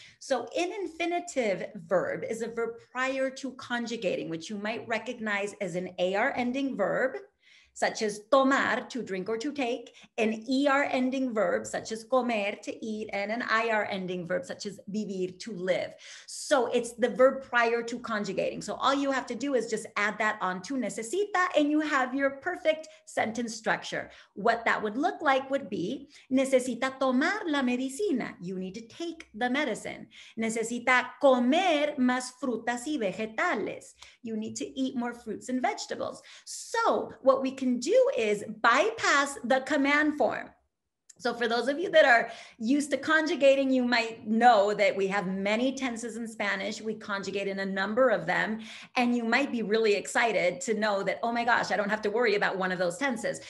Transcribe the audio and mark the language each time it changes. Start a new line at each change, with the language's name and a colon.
English: So an infinitive verb is a verb prior to conjugating, which you might recognize as an AR ending verb, such as tomar, to drink or to take, an ER ending verb, such as comer, to eat, and an IR ending verb, such as vivir, to live. So it's the verb prior to conjugating. So all you have to do is just add that on to necesita, and you have your perfect sentence structure. What that would look like would be,
Spanish: necesita tomar la medicina.
English: You need to take the medicine.
Spanish: Necesita comer más frutas y vegetales.
English: You need to eat more fruits and vegetables. So what we can do is bypass the command form. So for those of you that are used to conjugating, you might know that we have many tenses in Spanish. We conjugate in a number of them, and you might be really excited to know that, oh my gosh, I don't have to worry about one of those tenses.